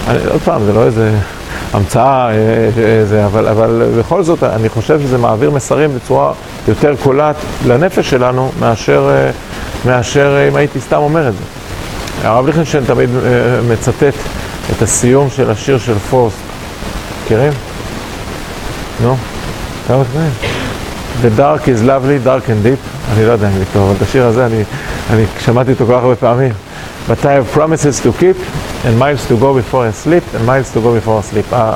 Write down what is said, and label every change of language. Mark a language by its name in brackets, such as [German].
[Hebrew] עוד פעם, זה לא איזה המצאה, איזה, אבל בכל זאת, אני חושב שזה מעביר מסרים בצורה יותר קולעת לנפש שלנו, מאשר אם הייתי סתם אומר את זה. הרב ליכטנשטיין תמיד מצטט את הסיום של השיר של פוסט. מכירים? נו? כמה תמיד? [English] The dark is lovely, dark and deep. [Hebrew] אני לא יודע אם זה טוב, אבל את השיר הזה אני שמעתי אותו כל כך הרבה פעמים. [English] But I have promises to keep and miles to go before I sleep and miles to go before I sleep.